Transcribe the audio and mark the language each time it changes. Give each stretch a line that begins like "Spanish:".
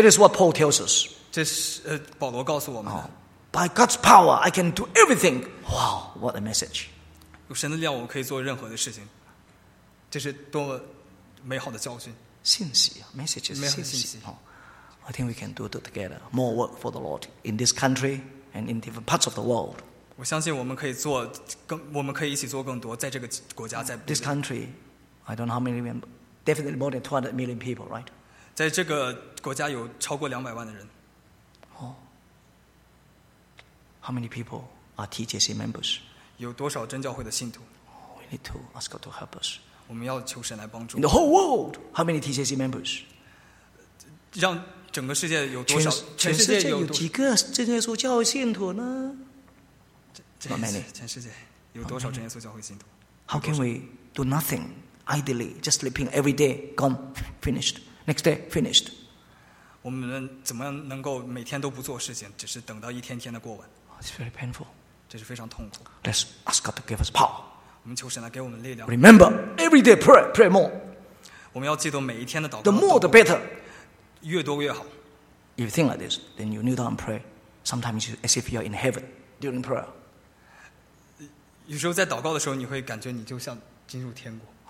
English: That is what Paul tells us.
Chinese: 这是保罗告诉我们的。
English: By God's power, I can do everything. Wow, what a message.
Chinese: 有神的力量，我可以做任何的事情。这是多么美好的教训。信息啊 ，message is 信息。
English: I think we can do that together. More work for the Lord in this country and in different parts of the world.
Chinese: 我相信我们可以做更，我们可以一起做更多，在这个国家，在
English: this country, I don't know how many million, definitely more than 200 million people, right?
Chinese: 在这个国家有超过200万的人。
English: How many people are TJC members?
Chinese: 有多少真教会的信徒
English: ？We need to ask God to help us.
Chinese: 我们要求神来帮助。
English: In the whole world, how many TJC members?
Chinese: 让整个世界有多少？全世界有几个真耶稣教会信徒呢？全世界有多少真耶稣教会信徒
English: ？How can we do nothing idly, just sleeping every day? Gone, finished. Next day, finished.
Chinese: 我们怎么能够每天都不做事情，只是等到一天天的过完
English: ？It's very painful.
Chinese: 这是非常痛苦。
English: Let's ask God to give us power.
Chinese: 我们求神来给我们力量。
English: Remember, every day pray more.
Chinese: 我们要记得每一天的祷告。
English: The more, the better.
Chinese: 越多越好。
English: If you think like this, then you kneel down and pray. Sometimes you as if you are in heaven during prayer.
Chinese: 有时候在祷告的时候，你会感觉你就像进入天国。